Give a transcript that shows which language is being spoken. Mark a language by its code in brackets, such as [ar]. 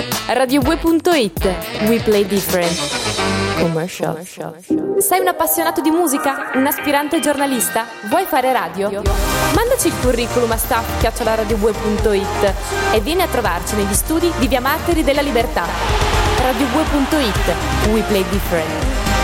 [en] Radio2.it, we play different. Commercial. [it] Sei un appassionato di musica? Un aspirante giornalista? Vuoi fare radio? Mandaci il curriculum a staff@radio2.it e vieni a trovarci negli studi di Via Martiri della Libertà. [en] Radio2.it, we play different.